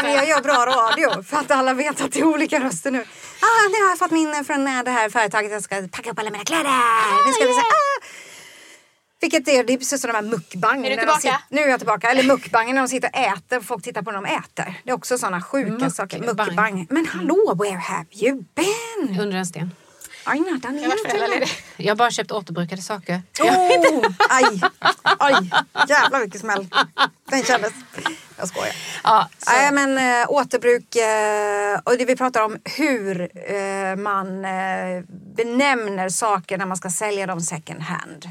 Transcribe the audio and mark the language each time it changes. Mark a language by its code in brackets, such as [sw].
[sv] Men jag gör bra radio för att alla vet att det är olika röster nu. Ah, nu har jag fått min från det här företaget. Jag ska packa upp alla mina kläder. Nu ska vi säga... Ah. Vilket är, det är precis som de här mukbangen. Är du tillbaka? Nu är jag tillbaka. Eller mukbangen när de sitter och äter. Folk tittar på när de äter. Det är också sådana sjuka saker. Mukbang. Men hallå, [en] where have you been? [sv] Under en sten. [en] Aj, not an [sv] jag har bara köpt återbrukade saker. Oh, aj. Aj. Jävlar vilket smäll. Den kändes. Jag skojar. Ja, så. Aj, men återbruk. Och det vi pratar om hur man benämner saker när man ska sälja dem second hand.